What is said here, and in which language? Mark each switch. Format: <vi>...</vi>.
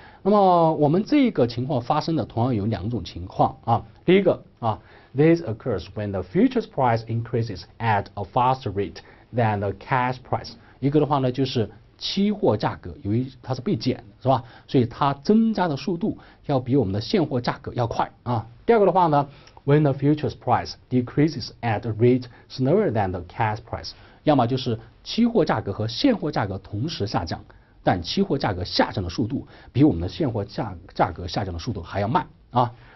<zh>那么我们这个情况发生的同样有两种情况啊，第一个啊。</zh> <en>This occurs when the futures price increases at a faster rate than the cash price。</en> <zh>一个的话呢，就是期货价格，由于它是被减，是吧？所以它增加的速度要比我们的现货价格要快啊。第二个的话呢， When the futures price decreases at a rate slower than the cash price，要么就是期货价格和现货价格同时下降，但期货价格下降的速度比我们的现货价格下降的速度还要慢啊。</zh>